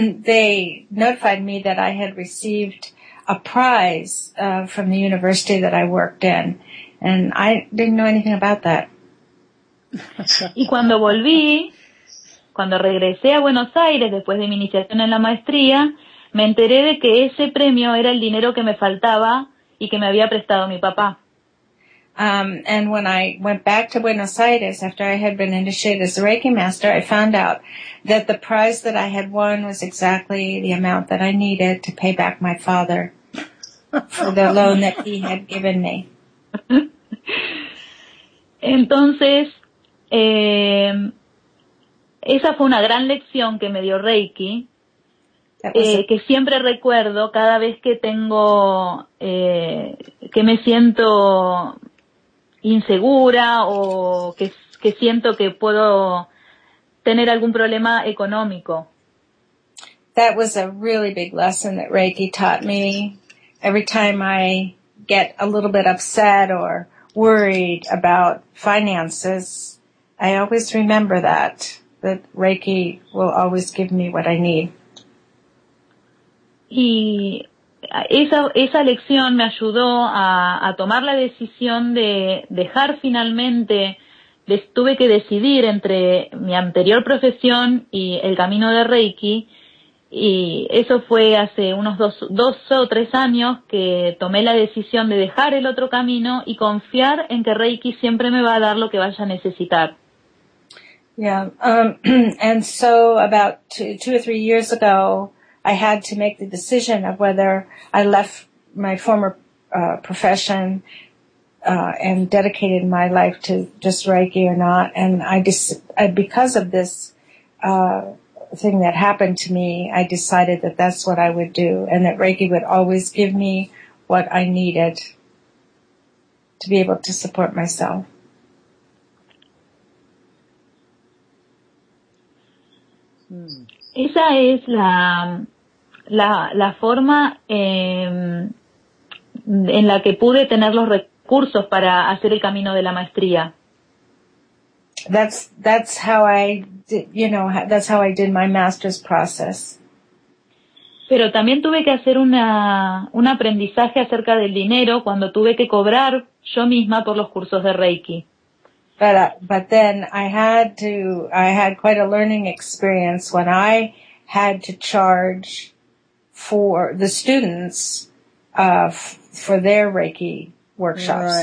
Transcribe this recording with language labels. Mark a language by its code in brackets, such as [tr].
[en] They notified me that I had received a prize from the university that I worked in. And I didn't know anything about that. [es] Y cuando volví, cuando regresé a Buenos Aires después de mi iniciación en la maestría, me enteré de que ese premio era el dinero que me faltaba y que me había prestado mi papá. [en] And when I went back to Buenos Aires after I had been initiated as a Reiki master, I found out that the prize that I had won was exactly the amount that I needed to pay back my father for the loan that he had given me. [es] Entonces, esa fue una gran lección que me dio Reiki. Que siempre recuerdo cada vez que tengo, que me siento insegura o que siento que puedo tener algún problema económico. [en] That was a really big lesson that Reiki taught me. Every time I get a little bit upset or worried about finances, I always remember that Reiki will always give me what I need. [es] Y esa lección me ayudó a tomar la decisión de dejar finalmente, tuve que decidir entre mi anterior profesión y el camino de Reiki, y eso fue hace unos dos o tres años que tomé la decisión de dejar el otro camino y confiar en que Reiki siempre me va a dar lo que vaya a necesitar. [en] And so about two or three years ago, I had to make the decision of whether I left my former profession and dedicated my life to just Reiki or not. And because of this thing that happened to me, I decided that that's what I would do and that Reiki would always give me what I needed to be able to support myself. [es] Esa es la forma en la que pude tener los recursos para hacer el camino de la maestría. [en] That's how I did my master's process. [es] Pero también tuve que hacer un aprendizaje acerca del dinero cuando tuve que cobrar yo misma por los cursos de Reiki. [en] But then I had quite a learning experience when I had to charge for the students for their Reiki workshops.